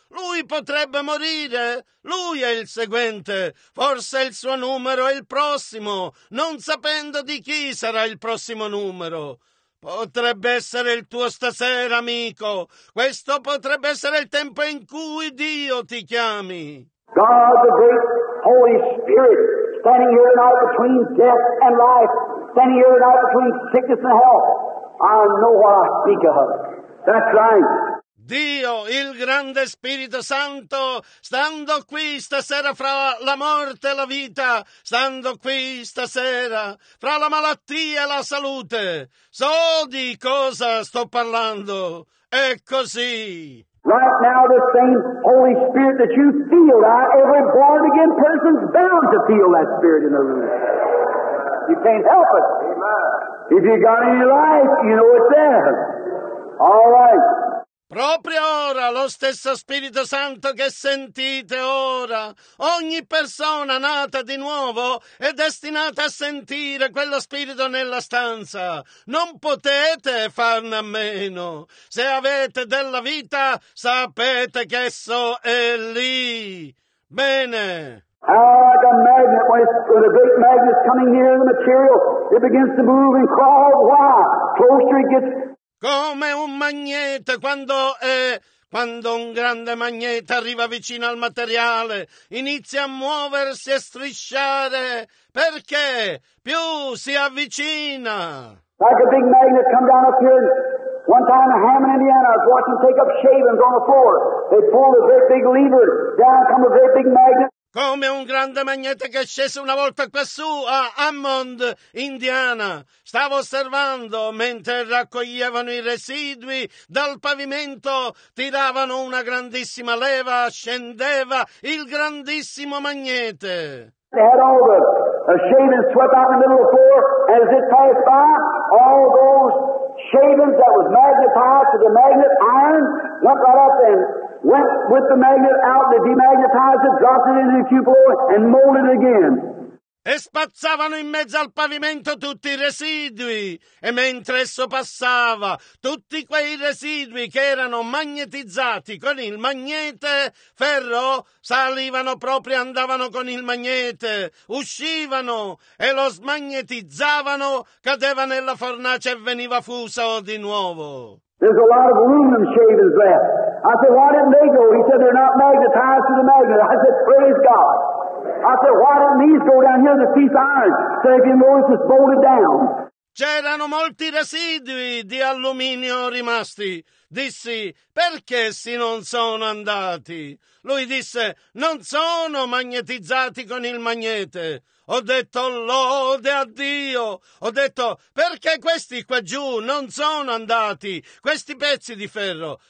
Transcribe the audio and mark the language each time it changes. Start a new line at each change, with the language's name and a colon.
Italian: Lui potrebbe morire, lui è il seguente, forse il suo numero è il prossimo, non sapendo di chi sarà il prossimo numero. Potrebbe essere il tuo stasera, amico. Questo potrebbe essere il tempo in cui Dio ti chiami.
English: God, the great Holy Spirit, standing here tonight between death and life, standing here tonight between sickness and health. I know what I speak of. That's right.
Italian: Dio, il grande Spirito Santo, stando qui stasera fra la morte e la vita, stando qui stasera fra la malattia e la salute, so di cosa sto parlando, è così.
English: Right now the same Holy Spirit that you feel, right? Every born again person's bound to feel that Spirit in the room. You can't help it. If you got any life, you know it's there. All right.
Italian: Proprio ora, lo stesso Spirito Santo che sentite ora, ogni persona nata di nuovo è destinata a sentire quello Spirito nella stanza. Non potete farne a meno. Se avete della vita, sapete che esso è lì. Bene.
English: Like a magnet, when a great magnet is coming near the material, it begins to move and crawl. Wow, closer it gets...
Italian: Come un magnete, quando un grande magnete arriva vicino al materiale, inizia a muoversi e strisciare, perché più si avvicina.
English: Like a big magnet come down up here, one time in Hammond, Indiana, I was watching take up shavings on the floor, they pulled a great big lever, down come a great big magnet.
Italian: Come un grande magnete che è sceso una volta quassù a Hammond, Indiana. Stavo osservando mentre raccoglievano i residui dal pavimento, tiravano una grandissima leva, scendeva il grandissimo magnete.
English: They had all the shavings swept out in the middle of the floor, and as it passed by, all those shavings that was magnetized to the magnet iron went right up and went with the magnet out, they demagnetized it, dropped it into the cupola, and molded it again.
Italian: E spazzavano in mezzo al pavimento tutti i residui, e mentre esso passava, tutti quei residui che erano magnetizzati con il magnete ferro salivano proprio, andavano con il magnete, uscivano e lo smagnetizzavano, cadeva nella fornace e veniva fuso di nuovo.
English: There's a lot of aluminum shavings left. I said, why didn't they go? He said, they're not magnetized to the magnet. I said, praise God. I said, why didn't these go down here? There's a piece of iron. So if you notice, it's bolted down.
Italian: C'erano molti residui di alluminio rimasti. Dissi, perché essi non sono andati? Lui disse, non sono magnetizzati con il magnete. Ho detto, lode a Dio. Ho detto, perché questi qua giù non sono andati, questi pezzi di ferro?